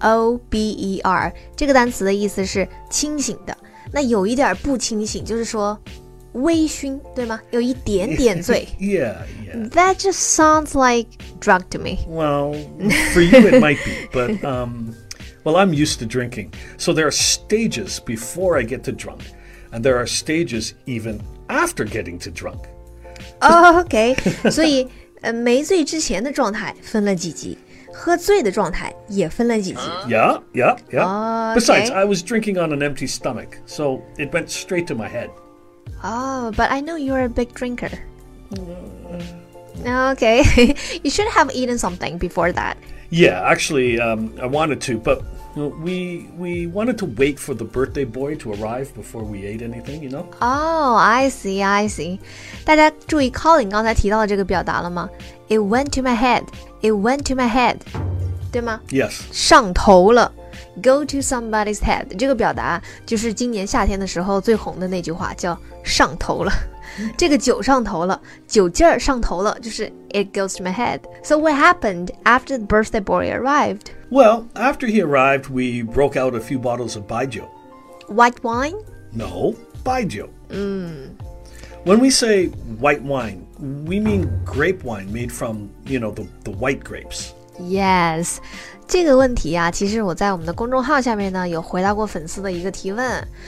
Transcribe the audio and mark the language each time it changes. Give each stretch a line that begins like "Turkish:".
Chinese: S-O-B-E-R 这个单词的意思是清醒的那有一点不清醒就是说微醺对吗有一点点醉
English: Yeah, yeah That just sounds like drunk to me Well, for you it might be But, well, I'm used to drinking So there are stages before I get to drunk And there are stages even after getting to drunk
Chinese: Oh, okay 所以没醉之前的状态分了几级喝醉的状态也分了几级
English: Yeah, yeah, yeah.、 Okay. Besides, I was drinking on an empty stomach, so it went straight to my head. Oh, but I know you're a big drinker. Okay, you should have eaten something before that. Yeah, actually, I wanted to, but we wanted to wait for the birthday boy to arrive before we ate anything, you know? Oh, I see, I see.
Chinese: 大家注意 Colin 刚才提到的这个表达了吗
English: It went to my head. It went to my head,
Chinese: 对吗
English: Yes.
Chinese: 上头了
English: Go to somebody's head.
Chinese: 这个表达就是今年夏天的时候最红的那句话叫上头了。这个酒上头了酒劲儿上头了就是
English: It goes to my head. So what happened after the birthday boy arrived? Well, after he arrived, we broke out a few bottles of baijiu. White wine? No, baijiu. Mm. When we say white wine,We mean grape wine made from, you know, the white grapes. Yes.
Chinese: 这个问题啊其实我在我们的公众号下面呢有回答过粉丝的一个提问。